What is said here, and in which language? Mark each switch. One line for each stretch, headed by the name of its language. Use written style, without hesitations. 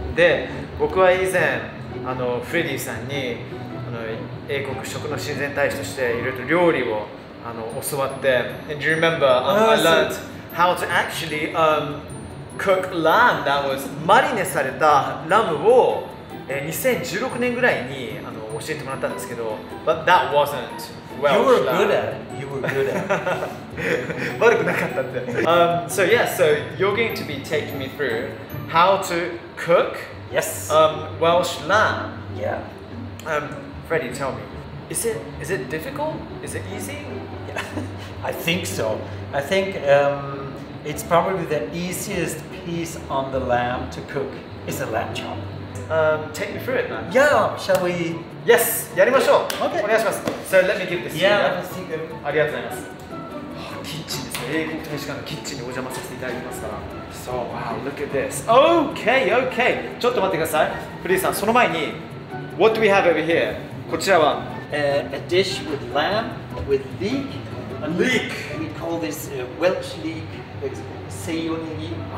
Japanese: で、僕は以前あのフレディさんにあの英国食の親善大使としていろいろと料理をあの教わって、
English: And do you remember, I learned how to actually cook lamb that was
Japanese: マリネされたラムを2016年ぐらいにあの教えてもらったんですけど、
English: But that wasn't Welsh lamb. You were good at it.
Japanese: 悪くなかったって。
English: So yeah, so you're going to be taking me through how to cook Welsh lamb. Yeah. Freddie, tell me, is it difficult? Is it easy? Yeah. I think so. I think it's probably the easiest piece on the lamb to cook is a lamb chop. Take me through it, man. Yeah. Shall we? Yes!
Japanese: やりましょう、
English: okay.
Japanese: お願いします。
English: So let me give this to you.
Japanese: ありがとうございます。キッチンですね、英国大使館のキッチンにお邪魔させていただきますから。
English: So wow, look at this. Okay, okay.
Japanese: ちょっと待ってください。フリーさん、その前に
English: What do we have over here?
Japanese: こちらは
English: A dish with lamb with leek. Leek! We call this Welsh leek, セイヨネギ。